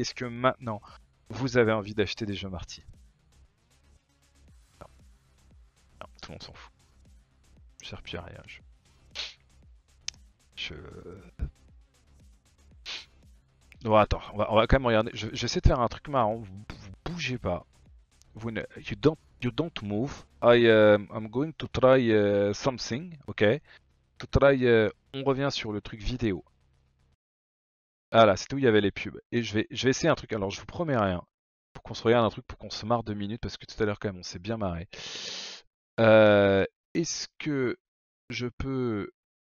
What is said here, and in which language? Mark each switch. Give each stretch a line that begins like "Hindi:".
French: Est-ce que maintenant vous avez envie d'acheter des jeux Marty? Non. Non, tout le monde s'en fout. Je sers plus à rien. Bon, attends, on va quand même regarder. Je vais essayer de faire un truc marrant. Vous bougez pas.
English: You don't move. I'm going to try something. Ok. To try.
French: On revient sur le truc vidéo. Ah là, c'était où il y avait les pubs. Et je vais essayer un truc. Alors, je vous promets rien. Pour qu'on se regarde un truc, pour qu'on se marre deux minutes. Parce que tout à l'heure, quand même, on s'est bien marré. Est-ce que je peux.